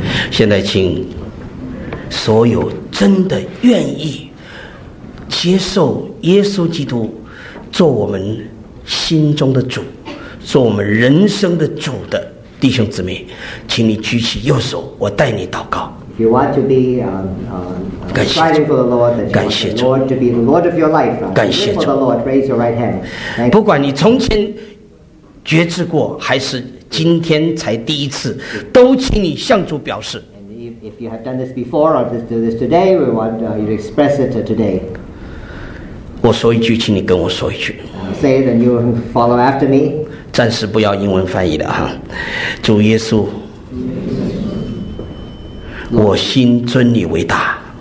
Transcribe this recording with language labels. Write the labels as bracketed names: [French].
[Chinese] 现在请所有真的愿意接受耶稣基督做我们心中的主，做我们人生的主的弟兄姊妹，请你举起右手，我带你祷告。 [English] If you want to be striving for the Lord, that you want the Lord to be the Lord of your life, live for the Lord, raise your right hand. [Chinese] 不管你从前觉知过还是今天才第一次，都请你向主表示。 [English] If you have done this before or just do this today, we want you to express it today. [Chinese] 我说一句，请你跟我说一句。 [English] Say it and you follow after me. [Chinese] 暂时不要英文翻译了哈，主耶稣，我心尊你为大。